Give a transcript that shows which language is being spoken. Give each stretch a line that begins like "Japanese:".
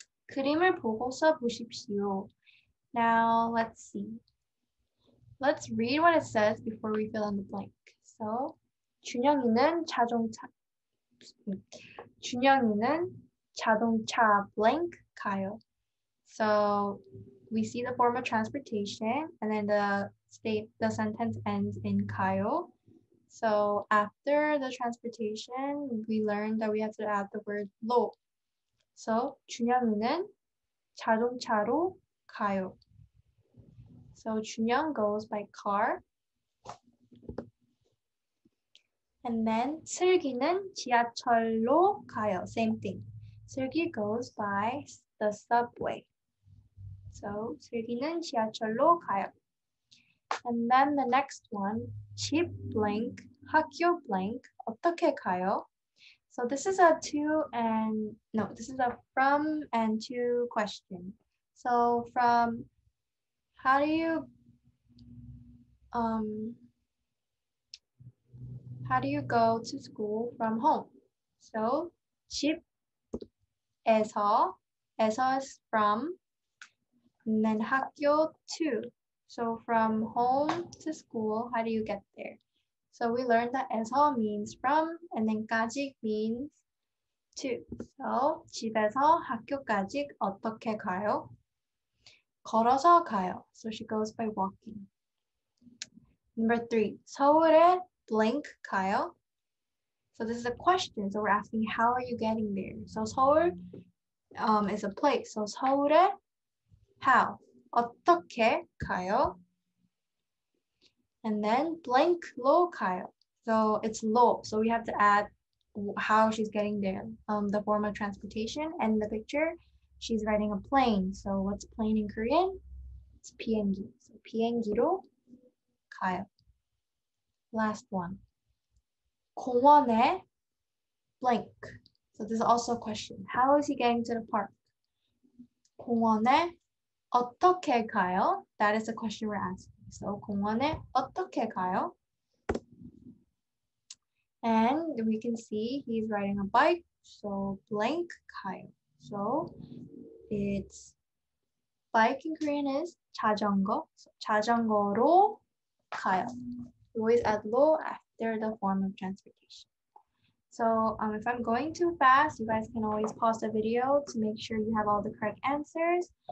Korean: 그림을 보고서 보십시오.
English: Now, let's see. Let's read what it says before we fill in the blank.
Korean: So, 준영이는 자동차. 준영이는 자동차 blank 가요.
English: So, we see the form of transportation and then the sentence ends in 가요. So after the transportation, we learned that we have to add the word 로.
Korean: So 준영이는 자동차로 가요.
English: So 준영 goes by car. And then
Korean: 슬기는 지하철로 가요.
English: Same thing. 슬기 goes by the subway.
Korean: So 슬기는 지하철로 가요.
English: And then the next one, 집 blank, 학교 blank,
Korean: 어떻게 가요?
English: So this is a to and no, this is a from and to question. So from, how do you go to school from home? So 집에서, 에서 is from, and then 학교 to. So from home to school, how do you get there? So we learned that 에서 means from, and then 까지 means to.
Korean: So 집에서 학교까지 어떻게 가요? 걸어서 가요.
English: So she goes by walking. Number three, 서울에 blank 가요? So this is a question. So we're asking, how are you getting there? So 서울, is a place. So 서울에 how?
Korean: 어떻게 가요?
English: And then blank 로 가요. So it's 로. So we have to add how she's getting there. The form of transportation and the picture. She's riding a plane. So what's plane in Korean? It's 비행기. So
Korean: 비행기로 가요.
English: Last one. 공원에 blank. So this is also a question. How is he getting to the park?
Korean: 공원에 어떻게 가요?
English: That is the question we're asking.
Korean: So 공원에 어떻게 가요?
English: And we can see he's riding a bike. So blank 가요. So it's bike in Korean is 자전거.
Korean: So 자전거로 가요.
English: We always add 로 after the form of transportation. So if I'm going too fast, you guys can always pause the video to make sure you have all the correct answers.